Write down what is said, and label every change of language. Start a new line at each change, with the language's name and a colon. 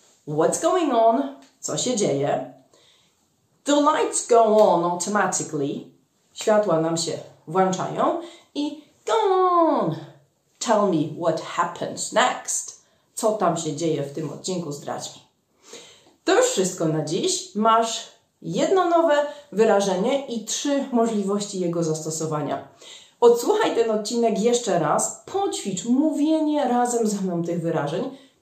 English: What's going on?
Polish: Co się dzieje?
English: The lights go on automatically.
Polish: Światła nam się włączają.
English: I go on, tell me what happens next.
Polish: Co tam się dzieje w tym odcinku, zdradź mi. To już wszystko na dziś. Masz jedno nowe wyrażenie i trzy możliwości jego zastosowania. Odsłuchaj ten odcinek jeszcze raz. Poćwicz mówienie razem ze mną tych wyrażeń.